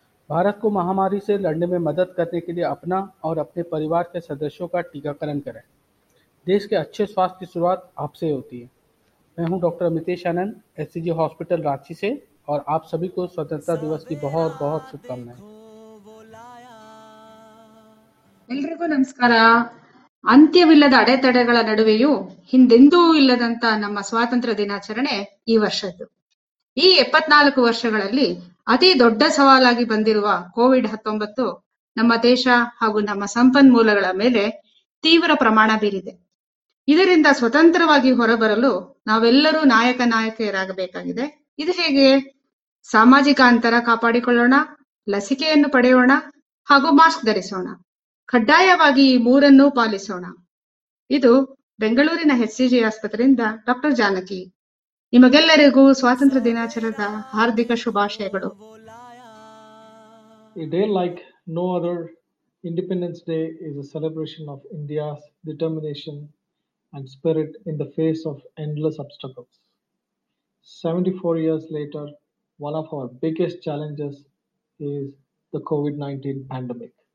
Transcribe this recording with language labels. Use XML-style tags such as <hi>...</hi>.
<hi>भारत को महामारी से लड़ने में मदद करने के लिए अपना और अपने परिवार के सदस्यों का टीकाकरण करें। देश के अच्छे स्वास्थ्य की शुरुआत आपसे होती है। मैं हूँ डॉक्टर अमितेश आनंद, SCG हॉस्पिटल रांची से, और आप सभी को स्वतंत्रता दिवस की बहुत बहुत शुभकामनाएं।</hi> <kn>ಎಲ್ರಿಗೂ ನಮಸ್ಕಾರ. ಅಂತ್ಯವಿಲ್ಲದ ಅಡೆತಡೆಗಳ ನಡುವೆಯೂ ಹಿಂದೆಂದೂ ಇಲ್ಲದಂತ ನಮ್ಮ ಸ್ವಾತಂತ್ರ್ಯ ದಿನಾಚರಣೆ ಈ ವರ್ಷದ್ದು. ಈ 74 ವರ್ಷಗಳಲ್ಲಿ ಅತಿ ದೊಡ್ಡ ಸವಾಲಾಗಿ ಬಂದಿರುವ ಕೋವಿಡ್-19 ನಮ್ಮ ದೇಶ ಹಾಗೂ ನಮ್ಮ ಸಂಪನ್ಮೂಲಗಳ ಮೇಲೆ ತೀವ್ರ ಪ್ರಮಾಣ ಬೀರಿದೆ. ಇದರಿಂದ ಸ್ವತಂತ್ರವಾಗಿ ಹೊರಬರಲು ನಾವೆಲ್ಲರೂ ನಾಯಕ ನಾಯಕಿಯರಾಗಬೇಕಾಗಿದೆ. ಇದು ಹೇಗೆ? ಸಾಮಾಜಿಕ ಅಂತರ ಕಾಪಾಡಿಕೊಳ್ಳೋಣ, ಲಸಿಕೆಯನ್ನು ಪಡೆಯೋಣ ಹಾಗೂ ಮಾಸ್ಕ್ ಧರಿಸೋಣ. ಕಡ್ಡಾಯವಾಗಿ ಈ ಮೂರನ್ನೂ ಪಾಲಿಸೋಣ. ಇದು ಬೆಂಗಳೂರಿನ HCG ಆಸ್ಪತ್ರೆಯಿಂದ ಡಾಕ್ಟರ್ ಜಾನಕಿ. ನಿಮಗೆಲ್ಲರಿಗೂ ಸ್ವಾತಂತ್ರ್ಯ ದಿನಾಚರಣೆಯ ಹಾರ್ದಿಕ ಶುಭಾಶಯಗಳು.</kn> <en>A day like no other, Independence Day is a celebration of India's determination and spirit in the face of endless obstacles. 74 years later, one of our biggest challenges is the COVID-19 pandemic.</en>